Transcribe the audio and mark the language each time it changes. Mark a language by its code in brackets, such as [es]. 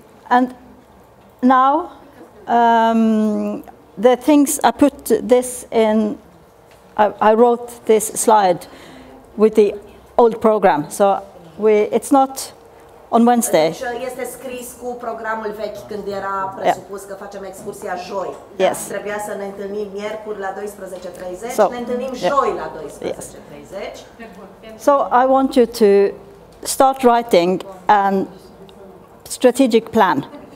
[en] And now the things I put this in, I wrote this slide with the old program. So it's not on Wednesday. [ro] Este scris cu programul vechi când era presupus că facem excursia joi. [en] Yes. [ro] Trebuia să ne întâlnim miercuri la 12:30. So, ne întâlnim joi la 12:30. [en] So I want you to start writing a strategic plan.